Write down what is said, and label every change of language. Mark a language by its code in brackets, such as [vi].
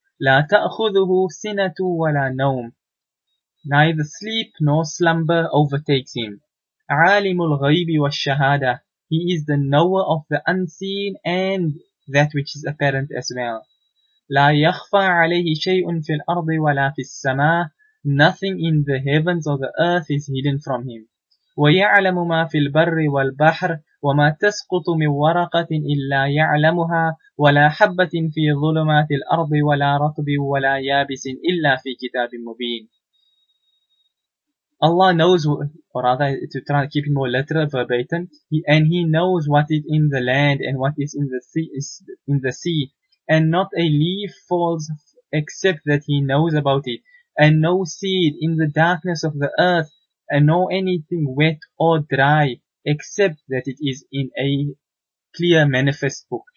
[ar] لا تأخذه سنة ولا نوم, [en] neither sleep nor slumber overtakes him. [ar] عالم الغيب والشهادة, [en] he is the knower of the unseen and that which is apparent as well. [ar] لا يخفى عليه شيء في الأرض ولا في السماء, [en] nothing in the heavens or the earth is hidden from him. [ar] ويعلم ما في البر والبحر, وما تسقط من ورقة إلا يعلمها, ولا حبة في ظلمات الأرض ولا رطب ولا يابس إلا في كتاب مبين. [en] Allah knows, or rather, to try to keep it more literal, verbatim, and He knows what is in the land and what is in the sea, and not a leaf falls except that He knows about it, and no seed in the darkness of the earth, and nor anything wet or dry, except that it is in a clear manifest book.